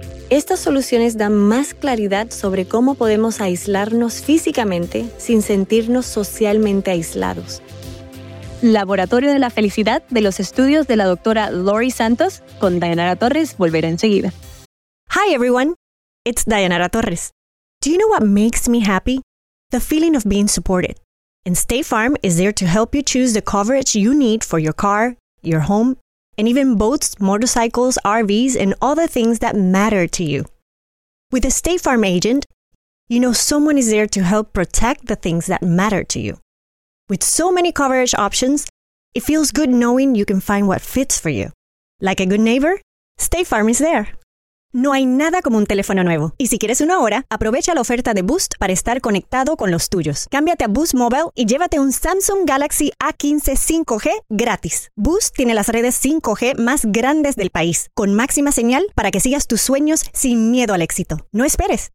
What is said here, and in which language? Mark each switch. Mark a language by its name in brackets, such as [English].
[Spanish] Estas soluciones dan más claridad sobre cómo podemos aislarnos físicamente sin sentirnos socialmente aislados. Laboratorio de la Felicidad, de los estudios de la doctora Lori Santos, con Dayanara Torres, volverá enseguida. [English] Hi everyone, it's Dayanara Torres. Do you know what makes me happy? The feeling of being supported. And State Farm is there to help you choose the coverage you need for your car, your home, and even boats, motorcycles, RVs, and all the things that matter to you. With a State Farm agent, you know someone is there to help protect the things that matter to you. With so many coverage options, it feels good knowing you can find what fits for you. Like a good neighbor, State Farm is there. [Spanish] No hay nada como un teléfono nuevo. Y si quieres uno ahora, aprovecha la oferta de Boost para estar conectado con los tuyos. Cámbiate a Boost Mobile y llévate un Samsung Galaxy A15 5G gratis. Boost tiene las redes 5G más grandes del país, con máxima señal para que sigas tus sueños sin miedo al éxito. No esperes.